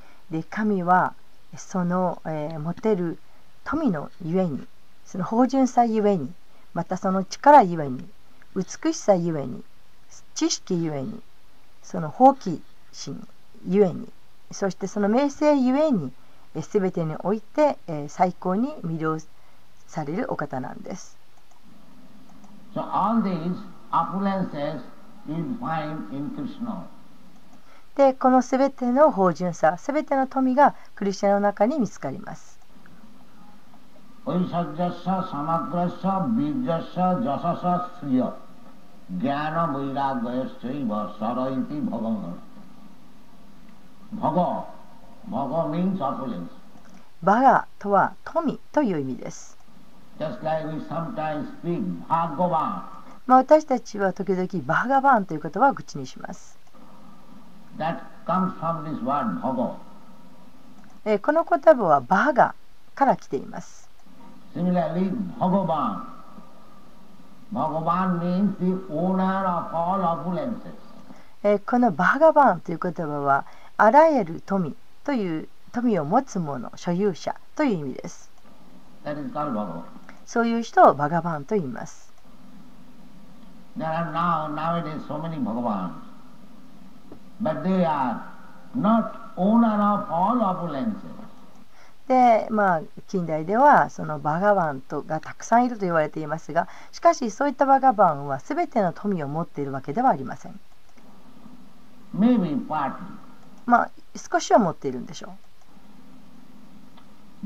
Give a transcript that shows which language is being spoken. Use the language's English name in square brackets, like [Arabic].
[Japanese] で、神はその、持てる富のゆえに、その芳醇さゆえに、またその力ゆえに、美しさゆえに、知識ゆえに、その好奇心ゆえに、そしてその名声ゆえに、すべてにおいて、最高に魅了されるお方なんです。 [English] So all these opulences you find in Krishna. [Japanese] で、このすべての芳醇さ、すべての富がクリシナの中に見つかります。 [Sanskrit] オイサジャッサ、サマグラッサ、ビッジャッサ、ジャササ、スリア、ギャナ・ヴァイラガヤ・シェイバ・サラインティ・バガガラ。 [English] Bhaga, Bhaga means opulence. [Japanese] Bhaga とは富という意味です。 [English] Just like we sometimes speak Bhagavan. [Japanese] まあ私たちは時々バガバンという言葉を口にします。 [English] That comes from this word Bhaga. [Japanese] この言葉はバガから来ています。 [English] Similarly, Bhagavan. Bhagavan means the owner of all opulences. [Japanese] このバガバンという言葉はあらゆる富という富を持つ者、所有者という意味です。 [English] That is called Bhagavan. [Japanese] そういう人をバガバンと言います。 [English] There are now, nowadays so many Bhagavan, but they are not owner of all opulences. [Japanese] で、まあ、近代ではそのバガバンとがたくさんいると言われていますが、しかしそういったバガバンは全ての富を持っているわけではありません。 [English] Maybe part. [Japanese] まあ、少しは持っているんでしょう。